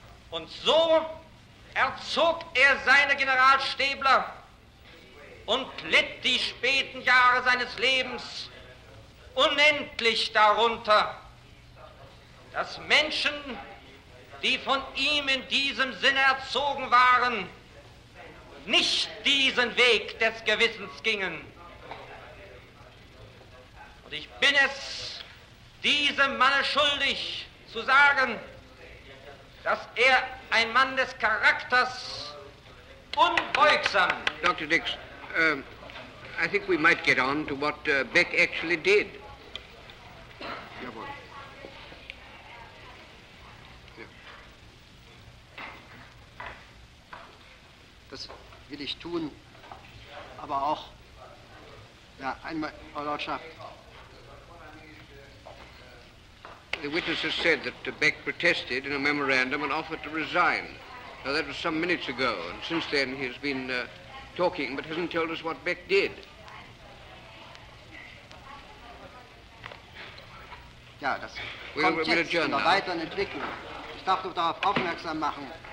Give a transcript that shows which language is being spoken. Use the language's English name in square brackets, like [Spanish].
[German] Und so erzog er seine Generalstäbler und litt die späten Jahre seines Lebens unendlich darunter, dass Menschen, die von ihm in diesem Sinne erzogen waren, nicht diesen Weg des Gewissens gingen. Und ich bin es diesem Manne schuldig zu sagen, dass er ein Mann des Charakters unbeugsam. [English] Dr. Dix, I think we might get on to what Beck actually did. [German] Das will ich tun, aber auch, ja, einmal, Frau Lordschaft. [English] The witness has said that Beck protested in a memorandum and offered to resign. Now, that was some minutes ago, and since then he has been talking, but hasn't told us what Beck did. [German] Ja, das kommt jetzt in der weiteren Entwicklung. Ich darf nur darauf aufmerksam machen.